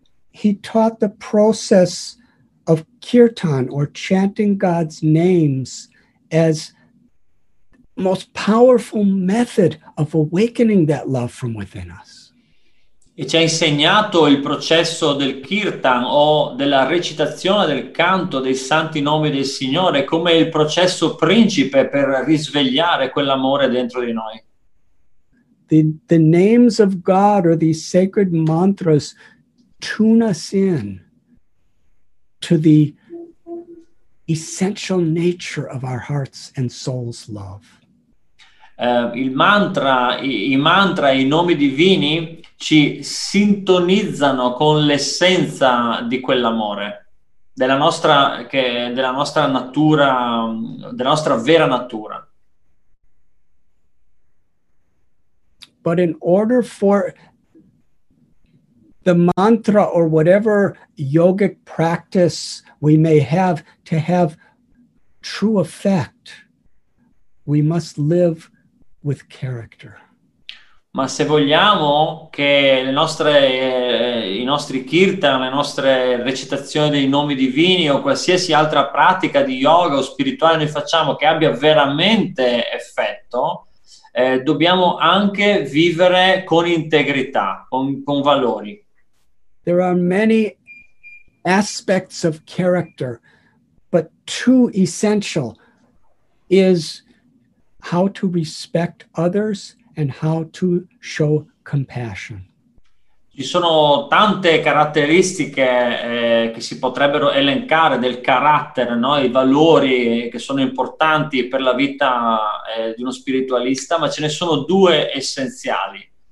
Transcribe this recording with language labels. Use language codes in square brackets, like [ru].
[en] He taught the process of kirtan, or chanting God's names, as most powerful method of awakening that love from within us. [it] E ci ha insegnato il processo del kirtan o della recitazione del canto dei santi nomi del Signore come il processo principe per risvegliare quell'amore dentro di noi. [en] The names of God or these sacred mantras tune us in to the essential nature of our hearts and souls love. [it] I mantra, i nomi divini ci sintonizzano con l'essenza di quell'amore, della nostra vera natura. [en] But in order for the mantra or whatever yogic practice we may have to have true effect, we must live with character. [it] Ma se vogliamo che i nostri kirtan, le nostre recitazioni dei nomi divini o qualsiasi altra pratica di yoga o spirituale noi facciamo che abbia veramente effetto, dobbiamo anche vivere con integrità, con valori. [en] There are many aspects of character, but two essential is how to respect others and how to show compassion. [it] Ci sono tante caratteristiche che si potrebbero elencare del carattere, no? I valori che sono importanti per la vita di uno spiritualista, ma ce ne sono due essenziali.